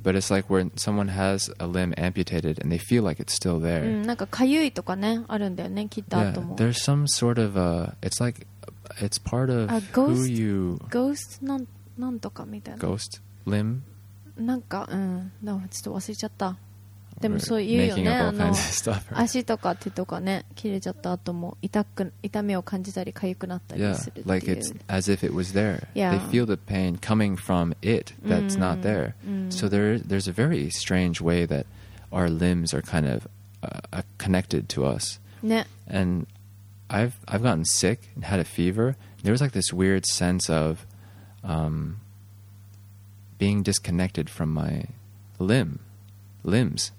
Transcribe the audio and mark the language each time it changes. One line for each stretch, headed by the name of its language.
English: But it's like when someone has a limb amputated and they feel like it's still there.
Japanese: なんかかゆいとかねあるんだよね切った後も。
English: Yeah, there's some sort of it's like. It's part of ghost, who you...
Japanese: Ghost なんとかみたいな。
English: Ghost? Limb?
Japanese: なんか、うん。でもちょっと忘れちゃった。でもそう言うよね。あの足とか手とかね、切れちゃった後も痛みを感じたり痒くなったりするっていう。
English: Yeah, like it's as if it was there. Yeah. They feel the pain coming from it that's not there. So there's a very strange way that our limbs are kind of connected to us.
Japanese: ね。
English: And... I've gotten sick and had a fever. There was like this weird sense of being disconnected from my limbs.